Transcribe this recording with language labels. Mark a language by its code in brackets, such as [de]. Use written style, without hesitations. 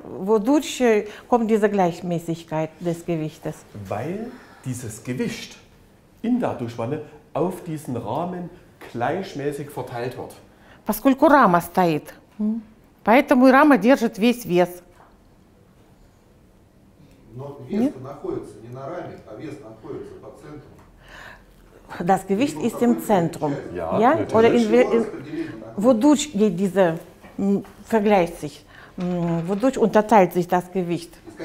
[de] Wodurch kommt diese Gleichmäßigkeit des Gewichtes? Weil dieses Gewicht in der Duschwanne auf diesen Rahmen gleichmäßig verteilt wird. [ru] Поскольку рама стоит, поэтому рама держит весь вес. Но вес находится не на раме, а вес находится по центру. [de] Das Gewicht ist im Zentrum, ja? Oder wodurch geht diese vergleicht sich, wodurch unterteilt sich das Gewicht?